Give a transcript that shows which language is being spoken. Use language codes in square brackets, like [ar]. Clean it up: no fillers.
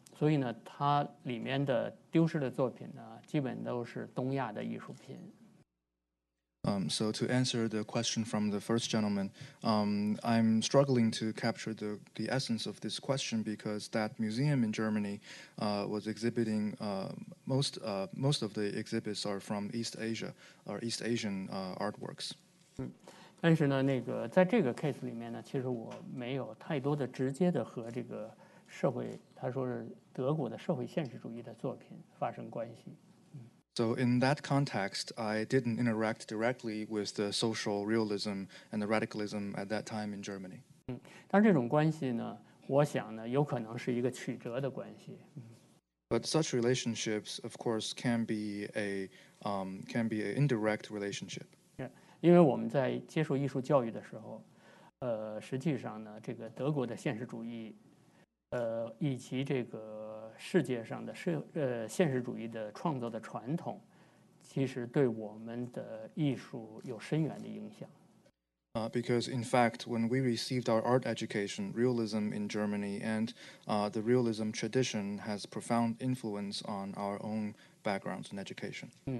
[zh] 所以呢，它里面的丢失的作品呢，基本都是东亚的艺术品。 [en] So to answer the question from the first gentleman, I'm struggling to capture the essence of this question because that museum in Germany was exhibiting most of the exhibits are from East Asia or East Asian artworks. [zh] 但是呢，那个在这个 case 里面呢，其实我没有太多的直接的和这个 [en] So in that context, I didn't interact directly with the social realism and the radicalism at that time in Germany. [zh] 但这种关系呢，我想呢，有可能是一个曲折的关系。 [en] But such relationships, of course, can be an indirect relationship. [zh] Yeah, 因为我们在接受艺术教育的时候，实际上呢，这个德国的现实主义。以及这个世界上的现实主义的创作的传统 其实对我们的艺术有深远的影响 [en] Because in fact, when we received our art education, realism in Germany and the realism tradition has profound influence on our own backgrounds and education.